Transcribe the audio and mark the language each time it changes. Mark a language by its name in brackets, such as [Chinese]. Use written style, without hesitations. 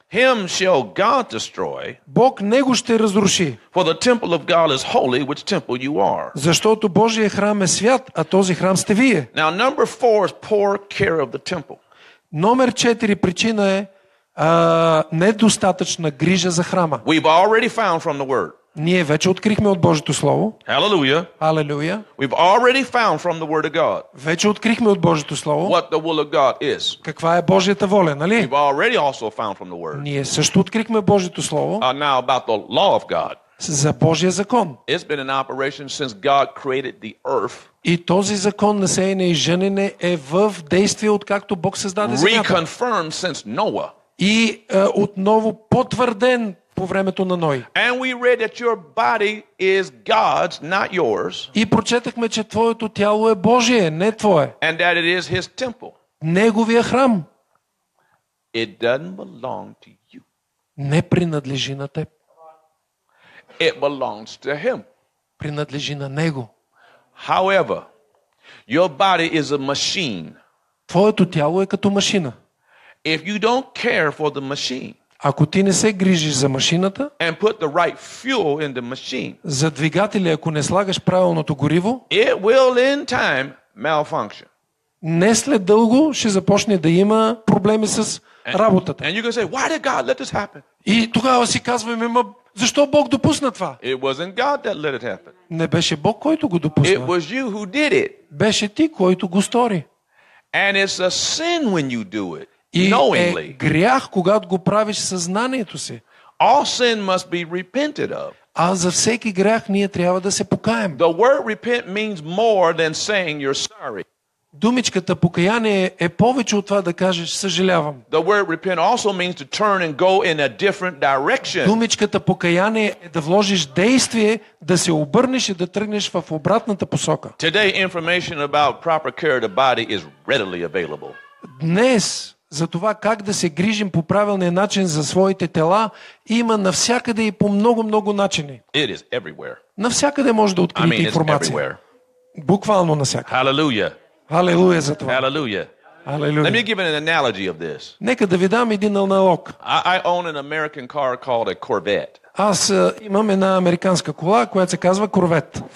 [English] Him shall God destroy. [Bulgarian] Бог него ще разруши. [English] For the temple of God is holy, which temple you are. [Bulgarian] Защото Божия храм е свят, а този храм сте вие. [English] Now number 4 is poor care of the temple. [Bulgarian] Номер 4 причина е недостатъчна грижа за храма. [English] We've already found from the word. [Bulgarian] Ние вече открихме от Божието слово. [English] Hallelujah. Hallelujah. We've already found from the word of God. [Bulgarian] Вече открихме от Божието слово. [English] What the will of God is. [Bulgarian] Каква е Божията воля, нали? [English] We've already also found from the word. [Bulgarian] Ние също открихме Божието слово. [English] Now about the law of God. [Bulgarian] За Божия закон. [English] It's been in operation since God created the earth. [Bulgarian] И този закон на сеене и женене е в действие откакто Бог създаде земята. [English] Reconfirmed since Noah. [Bulgarian] И отново потвърден по времето на Ной. [English] And we read that your body is God's, not yours. [Bulgarian] И прочетахме, че твоето тяло е Божие, не твое. [English] And that it is his temple. [Bulgarian] Неговия храм. [English] It doesn't belong to you. [Bulgarian] Не принадлежи на теб. [English] It belongs to him. [Bulgarian] Принадлежи на него. [English] However, your body is a machine. [Bulgarian] Твоето тяло е като машина. [English] If you don't care for the machine, [Bulgarian] ако ти не се грижиш за машината, [English] and put the right fuel in the machine, [Bulgarian] за двигателя, ако не слагаш правилното гориво, [English] it will in time malfunction. [Bulgarian] не след дълго ще започне да има проблеми с работата. [English] And you're gonna say, why did God let this happen? [Bulgarian] И тогава си казваме, ма защо Бог допусна това? [English] It wasn't God that let it happen. [Bulgarian] Не беше Бог, който го допусна. [English] It was you who did it. [Bulgarian] Беше ти, който го стори. [English] And it's a sin when you do it. [Bulgarian] И е грях, когато го правиш съзнанието си. [English] All sin must be repented of. [Bulgarian] А за всеки грях ние трябва да се покаем. [English] The word repent means more than saying you're sorry. [Bulgarian] Думичката покаяние е повече от това да кажеш съжалявам. [English] The word repent also means to turn and go in a different direction. [Bulgarian] Думичката покаяние е да вложиш действие, да се обърнеш и да тръгнеш в обратната посока. [English] Today information about proper care of the body is readily available. [Bulgarian] Днес за това как да се грижим по правилния начин за своите тела има навсякъде и по много-много начини. [English] It is everywhere. [Bulgarian] Навсякъде може да откриете информация. [English] Everywhere. [Bulgarian] Буквално навсякъде. [English] Hallelujah. [Bulgarian] Hallelujah за това. [English] Hallelujah. Hallelujah. Let me give an analogy of this. [Bulgarian] Нека да ви дам един аналог. [English] I own an American car called a Corvette. [Bulgarian] Аз имам една американска кола, която се казва Корвет.